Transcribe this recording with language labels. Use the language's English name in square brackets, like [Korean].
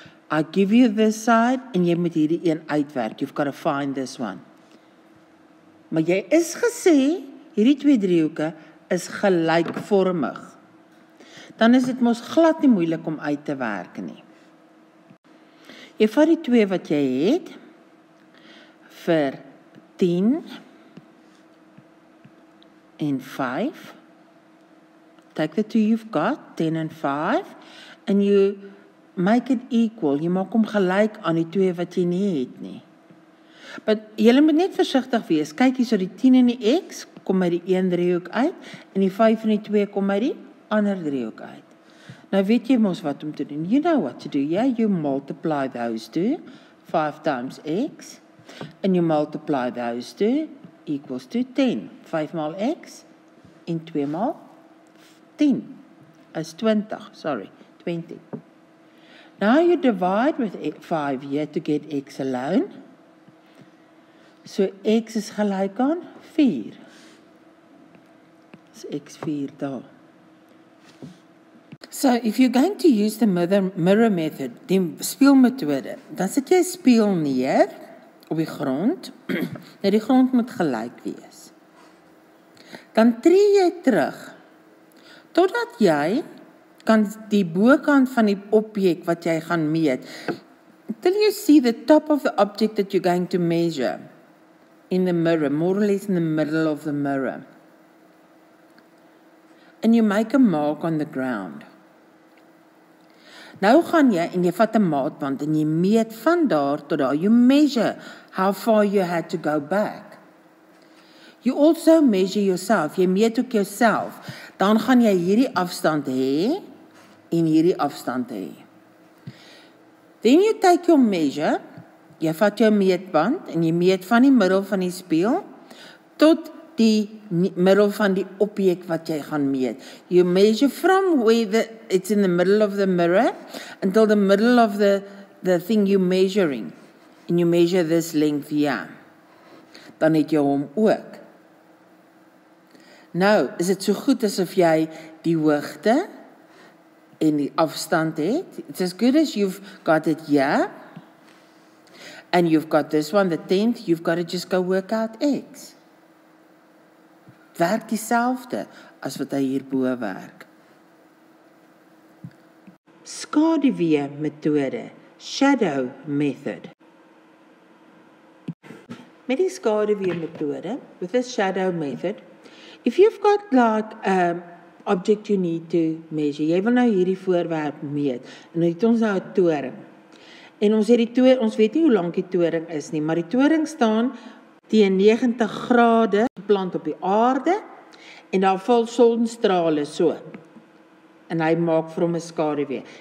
[English] I give you this side, [Afrikaans] en jy moet hierdie een uitwerk. [English] You've got to find this one. [Afrikaans] Maar jy is gesê, hierdie twee driehoeken is gelijkvormig. Dan is het mos glad nie moeilik om uit te werk nie. Jy vat die twee wat jy het, vir 10 en 5. [English] Take the two you've got, 10 and 5, and you make it equal. [Afrikaans] Jy maak hom gelijk aan die twee wat jy nie het nie. But jylle moet net versigtig wees. Kyk hier so die 10 en die x, kom by die 1 driehoek uit, en die 5 en die 2 kom by die ander driehoek uit. Nou weet jy mos wat om te doen. [English] You know what to do, yeah? You multiply those two, 5 times x, and you multiply those two, equals to 10. [Afrikaans] 5 maal x, en 2 maal 10, is 20, sorry, 20. [English] Now you divide with 5 here to get x alone. [Afrikaans] So x is gelijk aan 4. So x 4 daar. [English] So if you're going to use the mirror method, [Afrikaans] die Spieël methode, dan sit jy Spieël neer op die grond. Nou die grond moet gelijk wees. Dan tree jy terug totdat jy kan die bokant van die objek wat jy gaan meet. [English] Till you see the top of the object that you're going to measure in the mirror, more or less in the middle of the mirror. And you make a mark on the ground. [Afrikaans] Nou gaan jy en jy vat 'n maatband en jy meet van daar tot daar. [English] You measure how far you had to go back. You also measure yourself. [Afrikaans] Jy meet ook yourself. Dan gaan jy hierdie afstand hê en hierdie afstand hê. [English] Then you take your measure, [Afrikaans] jy vat jou meetband, en jy meet van die middel van die Spieël, tot die middel van die objek wat jy gaan meet. [English] You measure from where it's in the middle of the mirror, until the middle of the thing you're measuring. And you measure this length here. [Afrikaans] Dan het jy hom ook. Nou, is het so goed asof jy die hoogte en die afstand het. [English] It's as good as you've got it here. And you've got this one, the 10th. You've got to just go work out X. [Afrikaans] Werk dieselfde as wat hy hierbo werk. Skaduwee methode. [English] Shadow method. [Afrikaans] Met die skaduwee methode, [English] with the shadow method, if you've got like object you need to measure. [Afrikaans] Jy wil nou hierdie voorwerp meet. En nou het ons nou 'n toring. En ons het die toring, ons weet nie hoe lank die toring is nie, maar die toring staan teen 90 grade geplant op die aarde en daar val sonstrale so. En hy maak vir hom 'n skaduwee.